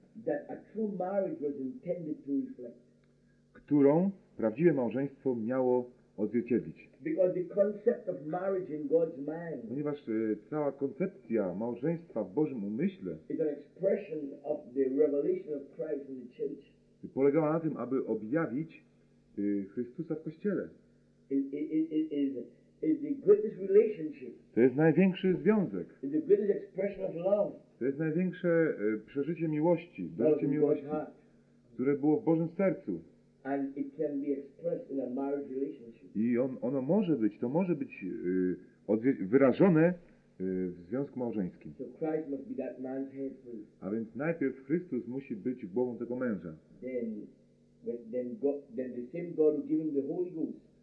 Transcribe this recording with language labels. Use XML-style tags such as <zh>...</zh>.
<en>that a true marriage was intended to reflect,</en> <pl>którą prawdziwe małżeństwo miało odzwierciedlić.</pl> <en>Because the concept of marriage in God's mind,</en> <pl>ponieważ cała koncepcja małżeństwa w Bożym umyśle,</pl> <en>is an expression of the revelation of Christ in the church.</en> <pl>Polegała na tym, aby objawić Chrystusa w Kościele.</pl> <en>It is the greatest relationship.</en> <pl>To jest największy związek.</pl> <en>It is the greatest expression of love.</en> <pl>To jest największe przeżycie miłości, doświadczenie miłości, które było w Bożym sercu.</pl> <en>And it can be expressed in a marriage relationship.</en> <pl>I ono może być, to może być wyrażone w związku małżeńskim.</pl> <en>So Christ must be that man's head first.</en> <pl>A więc najpierw Chrystus musi być głową tego męża.</pl> <en>Then the same God who gave him the Holy Ghost.</en>